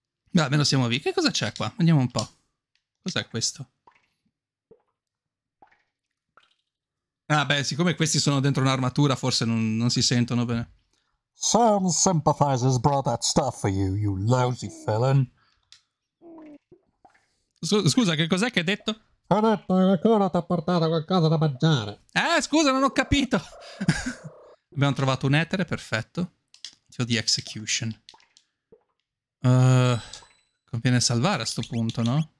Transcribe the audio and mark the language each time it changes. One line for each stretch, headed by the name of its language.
Italian: Beh, almeno siamo vivi. Che cosa c'è qua? Andiamo un po'. Cos'è questo? Ah beh, siccome questi sono dentro un'armatura, forse non si sentono bene.
English: Some sympathizers brought that stuff for you, you lousy felon.
Italian: Scusa, che cos'è che hai detto? Ho detto che qualcuno ti ha portato qualcosa da mangiare. Scusa, non ho capito. Abbiamo trovato un etere, perfetto. Tio di execution. Conviene salvare a sto punto, no?